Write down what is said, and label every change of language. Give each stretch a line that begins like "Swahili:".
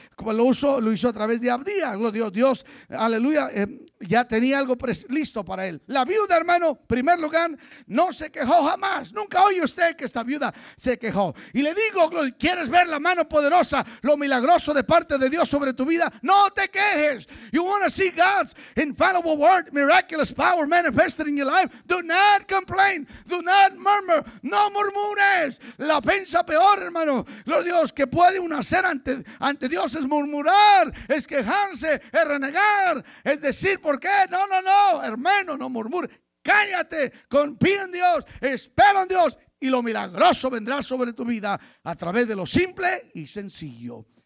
Spanish: Como lo hizo a través de Abdías, gloria a Dios, Dios, aleluya, ya tenía algo listo para él. La viuda, hermano, en primer lugar, no se quejó jamás. Nunca oye usted que esta viuda se quejó. Y le digo, ¿quieres ver la mano poderosa, lo milagroso de parte de Dios sobre tu vida? No te quejes.
English: You want to see God's infallible word, miraculous power manifested in your life? Do not complain. Do not murmur.
Spanish: No murmures. La ofensa peor, hermano, gloria a Dios, que puede uno hacer ante Dios es murmurar, es quejarse, es renegar, es decir, ¿por qué? No, no, no, hermano, no murmure. Cállate, confía en Dios, espera en Dios y lo milagroso vendrá sobre tu vida a través de lo simple y sencillo.